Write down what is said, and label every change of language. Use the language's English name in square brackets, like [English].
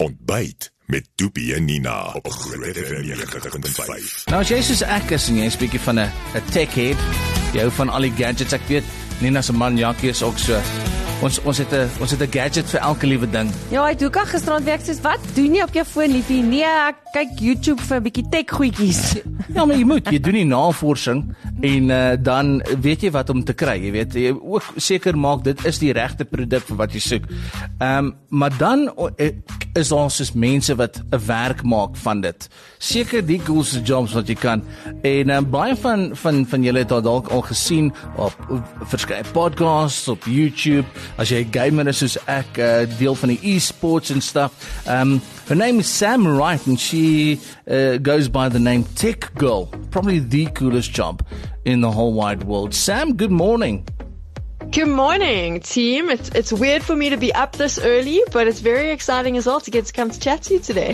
[Afrikaans] Ontbyt met Toepie en Nina op Groot FM 90.5. Nou, as jy soos ek is en jy is bietjie van 'n tech head, jy hou van al die gadgets, ek weet, Nina se man Jackie is ook so. Ons het 'n gadget vir elke liewe ding. Ja, ek doek gisterand week soos wat doen jy op jou foon liefie? Nee, ek kyk YouTube vir 'n bietjie tech goedjies. Ja, maar jy moet, jy doen die navorsing en dan weet jy wat om te kry, jy weet, jy ook seker maak dit is die regte produk vir wat jy soek. Maar dan is daar soos mense wat 'n werk maak van dit. Seker die coolste jobs wat jy kan. En baie van julle het dalk al gesien op verskeie podcasts op YouTube. As jy gamer is soos ek, deel van die e-sports en stuff. [English] Her name is Sam Wright and she goes by the name Tech Girl. Probably the coolest job in the whole wide world. Sam, good morning. Good morning, team. It's weird for me to be up this early, but it's very exciting as well to get to come to chat to you today.